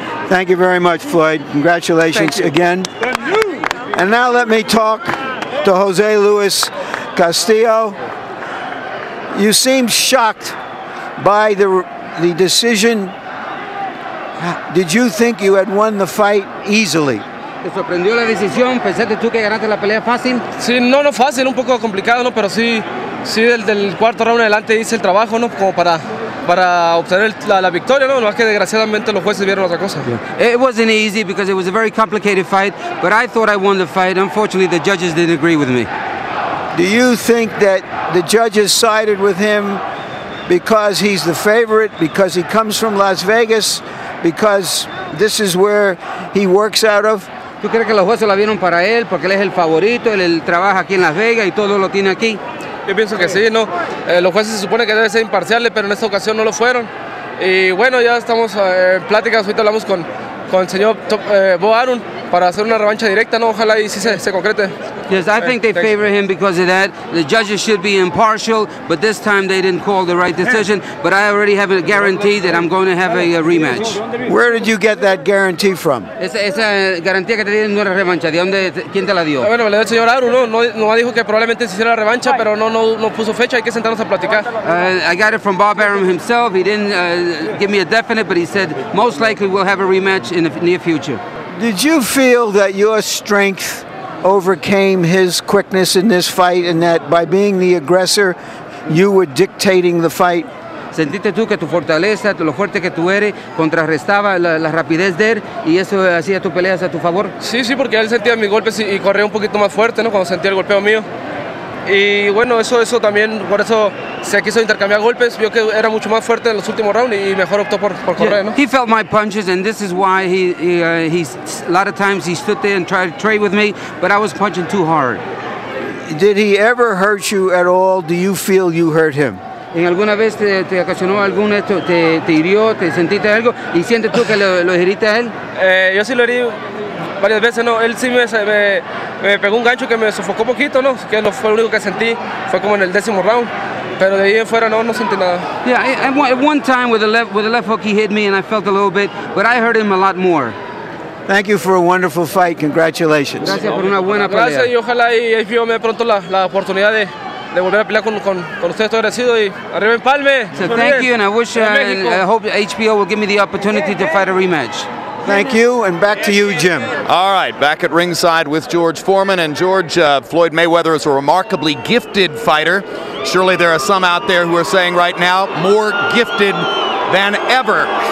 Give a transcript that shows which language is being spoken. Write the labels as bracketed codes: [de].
[en] Thank you very much, Floyd. Congratulations again. And now let me talk to Jose Luis Castillo. You seemed shocked by the decision. Did you think you had won the fight easily? [es] ¿Te sorprendió la decisión? ¿Pensaste tú que ganaste la pelea fácil? Sí, no fácil, un poco complicado, ¿no? Pero sí del cuarto round adelante hice el trabajo, ¿no? Como para obtener la victoria, ¿no? No es que desgraciadamente los jueces vieron otra cosa. [en] Yeah. It wasn't easy because it was a very complicated fight, but I thought I won the fight. Unfortunately, the judges didn't agree with me. Do you think that the judges sided with him because he's the favorite, because he comes from Las Vegas, because this is where he works out of? [es] ¿Tú crees que los jueces la vieron para él porque él es el favorito, él trabaja aquí en Las Vegas y todo lo tiene aquí? Yo pienso que sí, ¿no? Los jueces se supone que deben ser imparciales, pero en esta ocasión no lo fueron. Y bueno, ya estamos en pláticas, ahorita hablamos con el señor Bo Arum para hacer una revancha directa, ¿no? Ojalá y sí se concrete. [en] Yes, I think they favor him because of that. The judges should be impartial, but this time they didn't call the right decision. But I already have a guarantee that I'm going to have a rematch. Where did you get that guarantee from? [es] Esa garantía que te dieron no era revancha. ¿De dónde? ¿Quién te la dio? Bueno, le dio el señor Aru, ¿no? No dijo que probablemente se hiciera la revancha, pero no puso fecha. Hay que sentarnos a platicar. [en] I got it from Bob Arum himself. He didn't give me a definite, but he said most likely we'll have a rematch in the near future. Did you feel that your strength overcame his quickness in this fight, and that by being the aggressor, you were dictating the fight? [es] Sentiste tú que tu fortaleza, lo fuerte que tú eres, contrarrestaba la rapidez de él, y eso hacía tu pelea a tu favor. Sí, sí, porque él sentía mis golpes y corría un poquito más fuerte, ¿no? Cuando sentía el golpeo mío. Y bueno, eso también, por eso se quiso intercambiar golpes, vio que era mucho más fuerte en los últimos rounds y mejor optó por correr, ¿no? [en] He felt my punches and this is why a lot of times he stood there and tried to trade with me, but I was punching too hard. Did he ever hurt you at all? Do you feel you hurt him? [es] ¿En alguna vez te ocasionó algún esto, te hirió, te sentiste algo y sientes tú que lo heriste a él? Yo sí lo herí varias veces, ¿no? Él sí me pegó un gancho que me sofocó poquito, ¿no? Que no fue lo único que sentí, fue como en el décimo round. Pero de ahí en fuera no sentí nada. [en] Yeah, at one time with the left hook he hit me and I felt a little bit, but I hurt him a lot more. Thank you for a wonderful fight. Congratulations. [es] Gracias por una buena pelea. Gracias y ojalá y ahí me pronto la oportunidad de volver a pelear con ustedes, estoy agradecido y arriba empalme. [en] So thank you, and I wish and I hope HBO will give me the opportunity to fight a rematch. Thank you, and back to you, Jim. All right, back at ringside with George Foreman. And George, Floyd Mayweather is a remarkably gifted fighter. Surely there are some out there who are saying right now, more gifted than ever.